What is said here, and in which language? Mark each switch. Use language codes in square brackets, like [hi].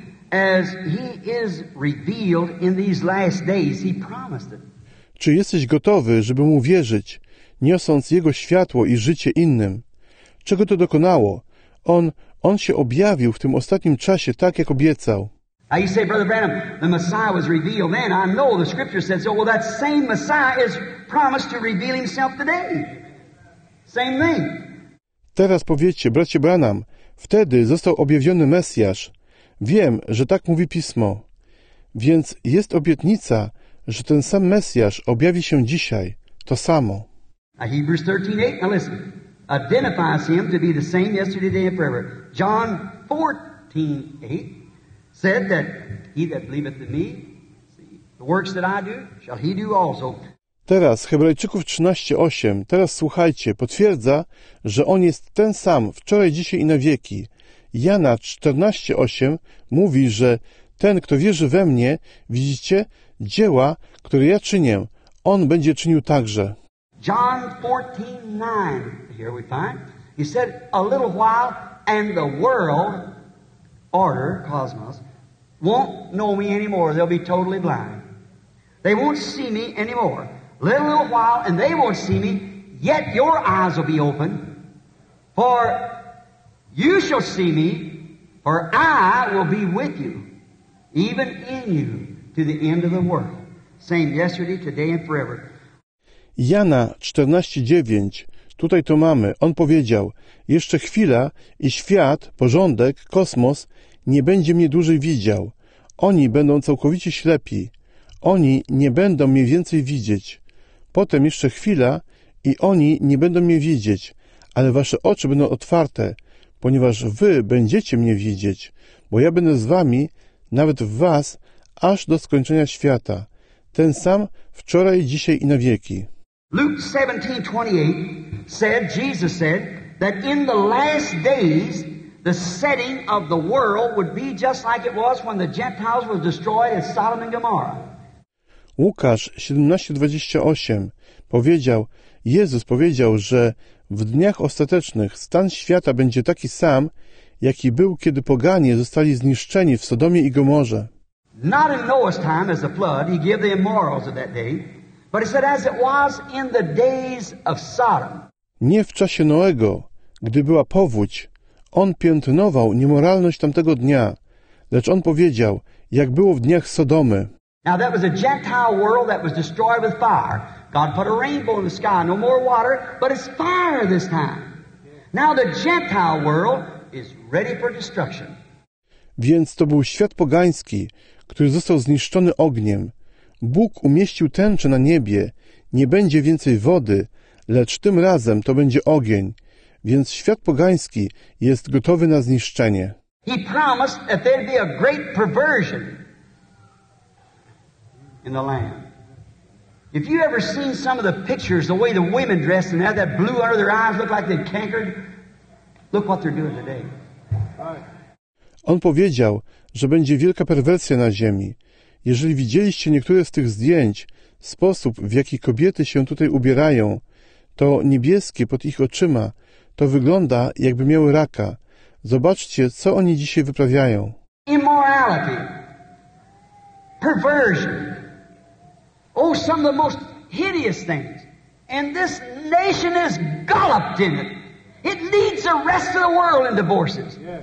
[en] As he is revealed in these last days, he promised it. [pl] Czy jesteś gotowy, żeby mu wierzyć, niosąc jego światło i życie innym? Czego to dokonało? On się objawił w tym ostatnim czasie tak, jak obiecał. [en] Now you say, Brother Branham, the Messiah was revealed then. I know the scripture says so. Well, that same Messiah is promised to reveal himself today. Same thing. [pl] Teraz powiecie, bracie Branham, wtedy został objawiony Mesjasz. Wiem, że tak mówi Pismo. Więc jest obietnica, że ten sam Mesjasz objawi się dzisiaj. To samo. [en] A Hebrews 13:8, now listen, identifies him to be the same yesterday, today and forever. John 14:8 said that he that believeth in me, the works that I do, shall he do also. [pl] Teraz, Hebrajczyków 13:8, teraz słuchajcie, potwierdza, że on jest ten sam wczoraj, dzisiaj i na wieki. Jana 14:8 mówi, że ten, kto wierzy we mnie, widzicie, dzieła, które ja czynię, on będzie czynił także. [en] John 14:9, here we find, he said, a little while and the world, order, cosmos, won't know me anymore, they'll be totally blind. They won't see me anymore. Little while, and they won't see me, yet your eyes will be open, for you shall see me, for I will be with you, even in you, to the end of the world. Same yesterday, today, and forever. [pl] Jana 14:9, tutaj to mamy. On powiedział, jeszcze chwila i świat, porządek, kosmos, nie będzie mnie dłużej widział. Oni będą całkowicie ślepi. Oni nie będą mnie więcej widzieć. Potem jeszcze chwila i oni nie będą mnie widzieć, ale wasze oczy będą otwarte, ponieważ wy będziecie mnie widzieć, bo ja będę z wami, nawet w was, aż do skończenia świata, ten sam wczoraj, dzisiaj i na wieki. [en] Luke 17:28 said, Jesus said, that in the last days the setting of the world would be just like it was when the Gentiles were destroyed at Sodom and Gomorrah. [pl] Łukasz 17:28 powiedział, Jezus powiedział, że w dniach ostatecznych stan świata będzie taki sam, jaki był, kiedy poganie zostali zniszczeni w Sodomie i Gomorze. [en] Not in Noah's time as the flood, he gave the immorals of that day, but he said as it was in the days of Sodom. [pl] Nie w czasie Noego, gdy była powódź, on piętnował niemoralność tamtego dnia, lecz on powiedział, jak było w dniach Sodomy. [en] Now that was a Gentile world that was destroyed with fire. God put a rainbow in the sky, no more water, but it's fire this time. Now the Gentile world is ready for destruction. [pl] Więc to był świat pogański, który został zniszczony ogniem. Bóg umieścił tęczę na niebie. Nie będzie więcej wody, lecz tym razem to będzie ogień. Więc świat pogański jest gotowy na zniszczenie. [en] He promised that there'd be a great perversion in the land. If you ever seen some of the pictures, the way the women dress and have that blue under their eyes look like they're cankered, look what they're doing today. [pl] On powiedział, że będzie wielka perwersja na ziemi. Jeżeli widzieliście niektóre z tych zdjęć, sposób, w jaki kobiety się tutaj ubierają, to niebieskie pod ich oczyma, to wygląda, jakby miały raka. Zobaczcie, co oni dzisiaj wyprawiają. [en] Immorality. Perversion. Oh, some of the most hideous things. And this nation is galloped in it. It leads the rest of the world in divorces.